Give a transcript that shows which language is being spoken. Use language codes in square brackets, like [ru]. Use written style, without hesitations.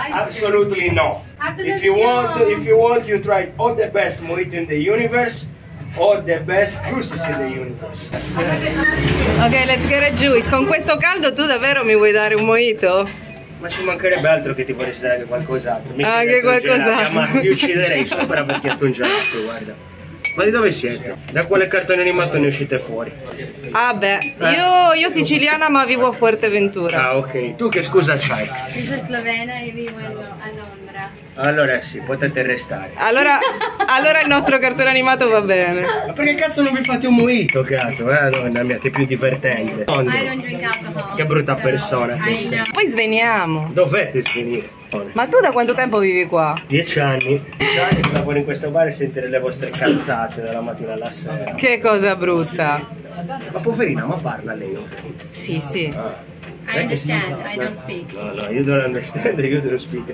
[en] Absolutely no. If you want, you try all the best mojito in the universe, all the best juices in the universe. Ok, let's get a juice. [it] Con questo caldo tu davvero mi vuoi dare un mojito? Ma ci mancherebbe altro che ti vorresti dare qualcos'altro. Ah, anche qualcos'altro. Ma ti ucciderei solo per averti aspungiato, guarda. Ma di dove siete? Da quale cartone animato ne uscite fuori? Ah beh, io siciliana ma vivo a Fuerteventura. Ah ok, tu che scusa c'hai? Io sono slovena e vivo a Londra. Allora sì, potete restare. Allora il nostro cartone animato va bene. Ma perché cazzo non vi fate un mojito, cazzo? Madonna mia, che più divertente. [en] I don't drink alcohol. [it] Che brutta persona che sei. Poi sveniamo. Dovete svenire. Ma tu da quanto tempo vivi qua? 10 anni. 10 anni che lavoro in questo bar e sentire le vostre cantate dalla mattina alla sera. Che cosa brutta. Ma poverina, ma parla lei. Sì, sì. [en] I understand, I don't speak. No, you don't understand, you don't speak.